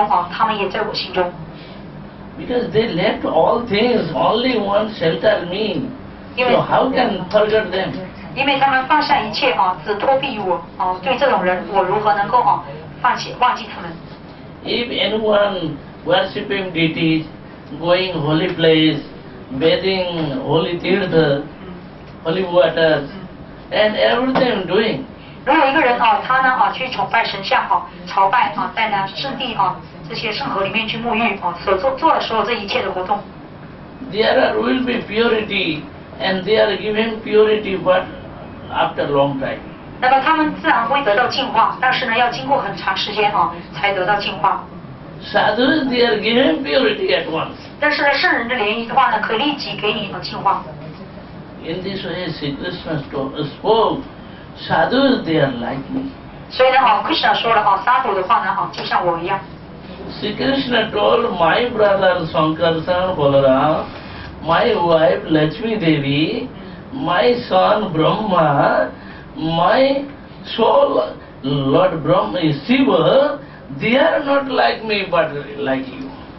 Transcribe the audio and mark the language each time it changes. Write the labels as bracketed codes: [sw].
[en] Because they left all things, only one shelter me. So how can forget them? [zh] 因为他们放下一切啊，只托庇于我啊，对这种人，我如何能够啊放弃忘记他们 [en] ？If anyone worshiping deities, going holy place, bathing holy tirtha, holy waters, and everything doing. [zh] 如果一个人啊，他呢啊去崇拜神像啊，朝拜啊，在呢圣地啊这些圣河里面去沐浴啊，所做的所有这一切的活动。 [en] There will be purity, and they are giving purity, but after a long time. [zh] 那么他们自然会得到净化，但是呢，要经过很长时间啊，才得到净化。 [en] Sadhu, they are giving purity at once. [zh] 但是呢，圣人的联谊的话呢，可立即给你净化。 [en] In this way, Sri Krishna spoke, Sadhu, they are like me. [zh] 所以呢，啊 ，Krishna 说了啊 ，Sadhu 的话呢，啊，就像我一样。 [en] Sri Krishna told my brother Sankarsan Balaram, my wife Lakshmi Devi, my son Brahma, my soul Lord Brahma is Shiva, they are not like me but like you.